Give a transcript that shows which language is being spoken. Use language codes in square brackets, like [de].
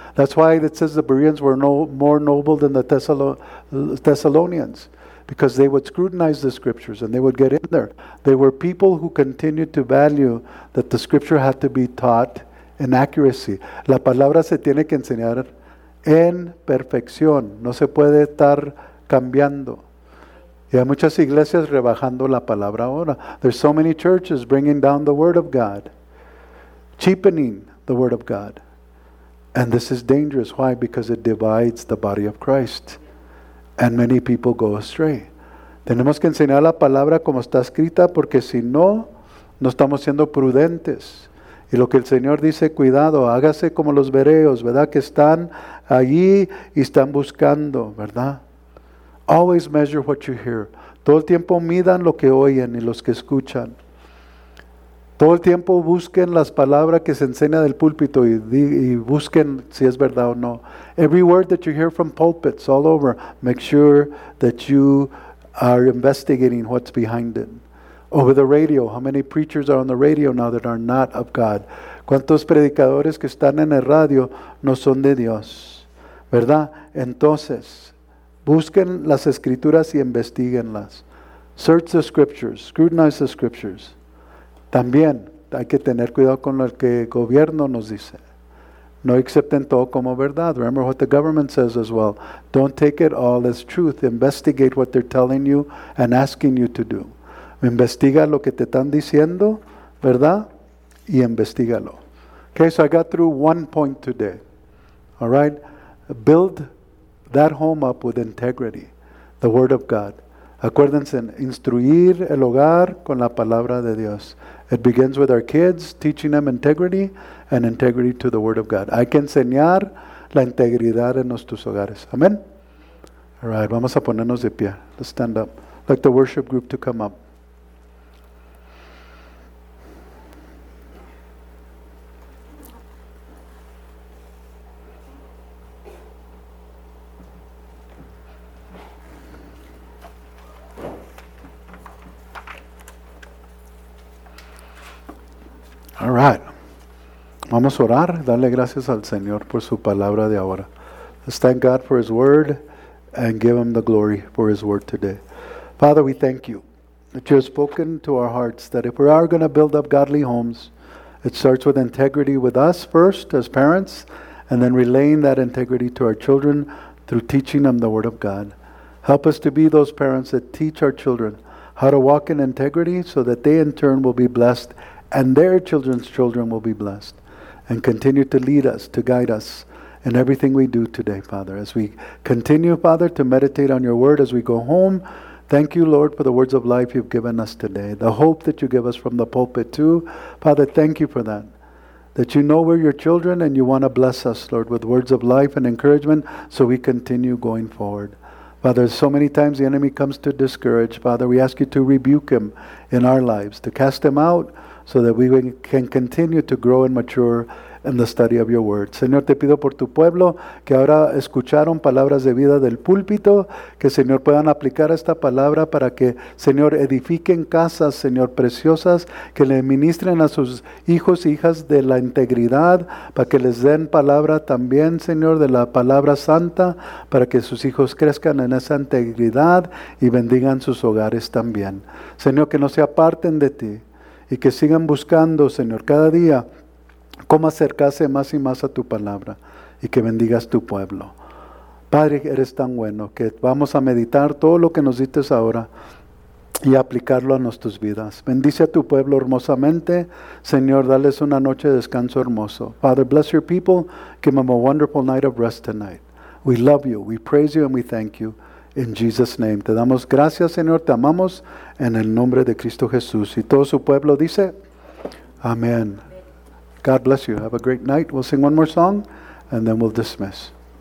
[en] That's why it says the Bereans were no more noble than the Thessalonians. Because they would scrutinize the scriptures and they would get in there. They were people who continued to value that the scripture had to be taught in accuracy. [es] La palabra se tiene que enseñar en perfección. No se puede estar cambiando. Y hay muchas iglesias rebajando la palabra ahora. [en] There's so many churches bringing down the word of God. Cheapening the word of God. And this is dangerous. Why? Because it divides the body of Christ. And many people go astray. [es] Tenemos que enseñar la palabra como está escrita, porque si no, no estamos siendo prudentes. Y lo que el Señor dice, cuidado, hágase como los bereos, ¿verdad? Que están allí y están buscando, ¿verdad? [en] Always measure what you hear. [es] Todo el tiempo midan lo que oyen y los que escuchan. Todo el tiempo busquen las palabras que se enseña del púlpito y busquen si es verdad o no. [en] Every word that you hear from pulpits all over, make sure that you are investigating what's behind it. Over the radio, how many preachers are on the radio now that are not of God? [es] ¿Cuántos predicadores que están en el radio no son de Dios? ¿Verdad? Entonces, busquen las escrituras y investiguenlas. [en] Search the scriptures, scrutinize the scriptures. [es] También hay que tener cuidado con lo que el gobierno nos dice. No acepten todo como verdad. [en] Remember what the government says as well. Don't take it all as truth. Investigate what they're telling you and asking you to do. [es] Investiga lo que te están diciendo, ¿verdad? Y investigalo. [en] Okay, so I got through one point today. All right? Build that home up with integrity. The Word of God. [es] Acuérdense, instruir el hogar con la palabra de Dios. [en] It begins with our kids, teaching them integrity and integrity to the Word of God. [es] Hay que enseñar la integridad en nuestros hogares. Amén. [en] All right, [es] vamos a ponernos de pie. [en] Let's stand up. Like the worship group to come up. All right. [es] Vamos a orar, darle gracias al Señor por su palabra de ahora. [en] Let's thank God for His word and give Him the glory for His word today. Father, we thank you that you have spoken to our hearts that if we are going to build up godly homes, it starts with integrity with us first as parents and then relaying that integrity to our children through teaching them the word of God. Help us to be those parents that teach our children how to walk in integrity so that they in turn will be blessed and their children's children will be blessed. And continue to lead us, to guide us in everything we do today, Father. As we continue, Father, to meditate on your word, as we go home, Thank you, Lord, for the words of life you've given us today, the hope that you give us from the pulpit too. Father, thank you for that, that you know we're your children and you want to bless us, Lord, with words of life and encouragement so we continue going forward. Father, so many times the enemy comes to discourage. Father, we ask you to rebuke him in our lives, to cast him out so that we can continue to grow and mature in the study of your word. [es] Señor, te pido por tu pueblo que ahora escucharon palabras de vida del púlpito, que Señor puedan aplicar esta palabra para que, Señor, edifiquen casas, Señor, preciosas, que le ministren a sus hijos e hijas de la integridad, para que les den palabra también, Señor, de la palabra santa, para que sus hijos crezcan en esa integridad y bendigan sus hogares también. Señor, que no se aparten de ti y que sigan buscando, Señor, cada día cómo acercarse más y más a tu palabra y que bendigas tu pueblo. Padre, eres tan bueno que vamos a meditar todo lo que nos dices ahora y aplicarlo a nuestras vidas. Bendice a tu pueblo hermosamente. Señor, dales una noche de descanso hermoso. [en] Father, bless your people. Give them a wonderful night of rest tonight. We love you, we praise you, and we thank you. In Jesus' name. [es] Te damos gracias, Señor. Te amamos en el nombre de Cristo Jesús. Y todo su pueblo dice, amén. [en] God bless you. Have a great night. We'll sing one more song and then we'll dismiss.